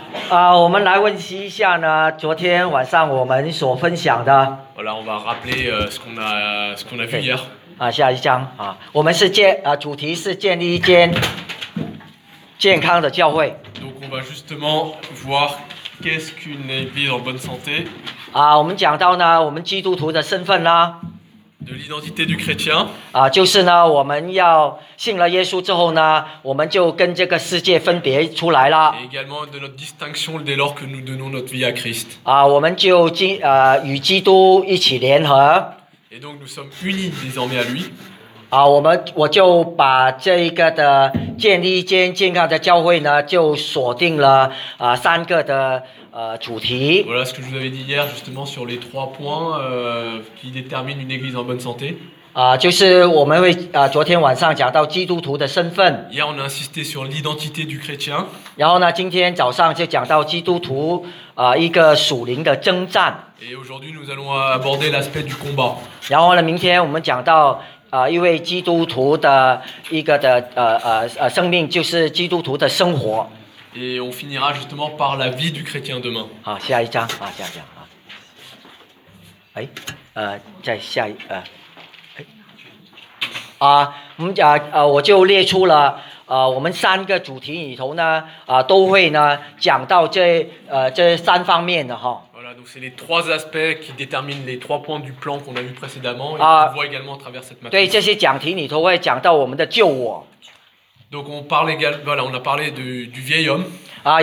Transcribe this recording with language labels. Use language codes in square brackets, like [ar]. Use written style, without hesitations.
[zh] 我们来温习一下呢，昨天晚上我们所分享的。 [fr] Voilà, on va rappeler ce qu'on a vu hier. [zh] 下一章啊，我们是主题是建立一间健康的教会。 [fr] Donc on va justement voir qu'est-ce qu'une église en bonne santé. [zh] 我们讲到呢，我们基督徒的身份啦。 [fr] De l'identité du chrétien. [zh] 就是呢，我们要信了耶稣之后呢，我们就跟这个世界分别出来了。 [fr] Et également de notre distinction dès lors que nous donnons notre vie à Christ. [zh] 我们就与基督一起联合。 [fr] Et donc nous sommes unis désormais à lui. [zh] 我就把这一个的建立一间健康的教会呢，就锁定了三个的。主题 [fr] voilà ce que je vous avais dit hier justement sur les trois points qui déterminent une église en bonne santé. [zh] 就是我们会昨天晚上讲到基督徒的身份。 [fr] Hier on a insisté sur l'identité du chrétien. [zh] 然后呢，今天早上就讲到基督徒一个属灵的征战。 [fr] Et aujourd'hui nous allons aborder l'aspect du combat. [zh] 然后呢，明天我们讲到一位基督徒的一个的生命，就是基督徒的生活。 [fr] Et on finira justement par la vie du chrétien demain. [zh] 好，下一章啊，下一章啊。哎，再下一我们讲我就列出了我们三个主题里头呢都会呢讲到这三方面的哈。 [fr] Voilà, donc c'est les trois aspects qui déterminent les trois points du plan qu'on a vu précédemment et qu'on voit également à travers cette matière. [zh] 对，这些讲题里头会讲到我们的旧我。 [fr] Donc on parle voilà, on a parlé du vieil homme.